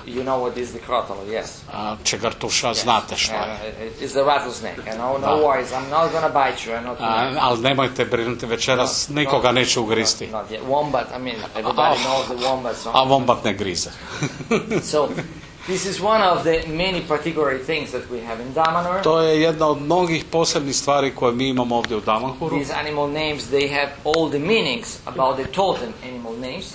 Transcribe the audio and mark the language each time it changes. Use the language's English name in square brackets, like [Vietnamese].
[English] You know what is the crotalo, yes. [Croatian] Čegrtuša, yes. Znate što je. [English] It's the rattlesnake, you know, no worries, I'm not gonna bite you. [Croatian] Ali nemojte brinuti, večeras no, nikoga neću ugristi. [English] Not yet. Wombat, I mean, everybody knows the wombat. So [Croatian] a wombat ne grize. [English] So, this is one of the many particular things that we have in Damanhur. [Croatian] To je jedna od mnogih posebnih stvari koje mi imamo ovdje u Damanhuru. [English] These animal names, they have all the meanings about the totem animal names.